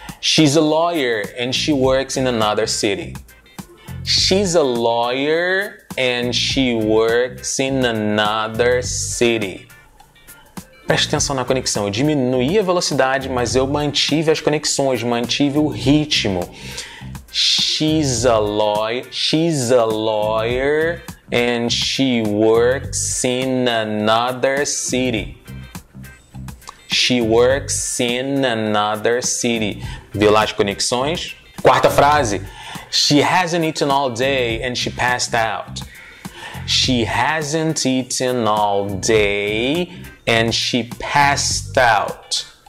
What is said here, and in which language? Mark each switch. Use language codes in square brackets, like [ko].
[en] She's a lawyer and she works in another city. She's a lawyer and she works in another city. [pt] Preste atenção na conexão. Eu diminuí a velocidade, mas eu mantive as conexões, mantive o ritmo. [en] She's a lawyer. She's a lawyer and she works in another city. She works in another city. [pt] Viu lá as conexões? Quarta frase. [en] She hasn't eaten all day and she passed out. She hasn't eaten all day and she passed out.